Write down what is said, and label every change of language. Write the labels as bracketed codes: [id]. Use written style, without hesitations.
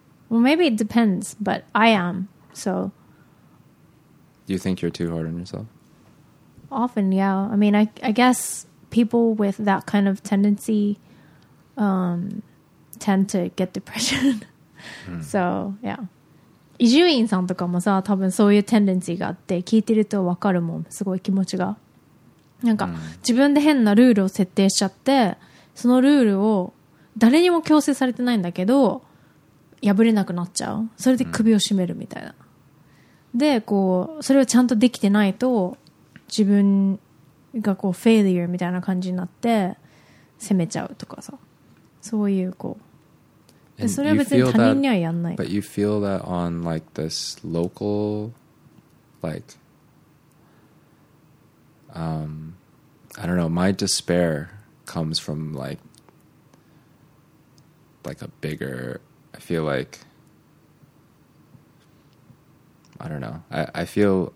[en] Well, maybe it depends, but I am, so. Do you think you're too hard on yourself? Often, yeah. I mean, I guess people with that kind of tendency tend to get depression. So, yeah. [ja] 伊集院さんとかもさ、多分そういうテンデンシーがあって、聞いてるとわかるもん、すごい気持ちが。なんか、自分で変なルールを設定しちゃって、そのルールを誰にも強制されてないんだけど、破れなくなっちゃう。それで首を絞めるみたいな。で、こう、それをちゃんとできてないと、自分がこうフェイリアみたいな感じになって責めちゃうとかさ、そういうこう、でそれは別に他人にはやんない。 [en] But you feel that on like this local, like, I don't know. My despair comes from like a bigger. I feel like I don't know. I feel.